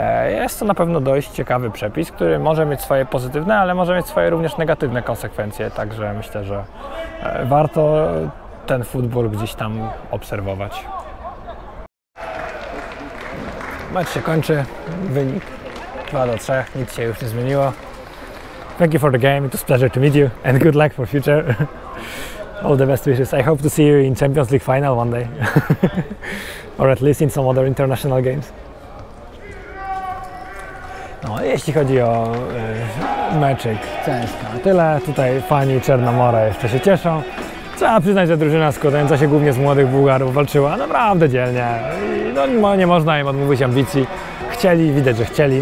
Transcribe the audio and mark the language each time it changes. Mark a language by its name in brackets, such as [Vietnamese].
[Polish] Jest to na pewno dość ciekawy przepis, który może mieć swoje pozytywne, ale może mieć swoje również negatywne konsekwencje. Także myślę, że warto ten futbol gdzieś tam obserwować. Mecz się kończy, wynik 2-3, nic się już nie zmieniło. [English] Thank you for the game, it was a pleasure to meet you and good luck for future. All the best wishes, I hope to see you in Champions League final one day. Or at least in some other international games. [Polish] No, jeśli chodzi o meczyk Cęska, tyle. Tutaj fani Czernomora jeszcze się cieszą. Trzeba przyznać, że drużyna składająca się głównie z młodych Bułgarów walczyła naprawdę dzielnie. No, nie można im odmówić ambicji. Chcieli, widać, że chcieli.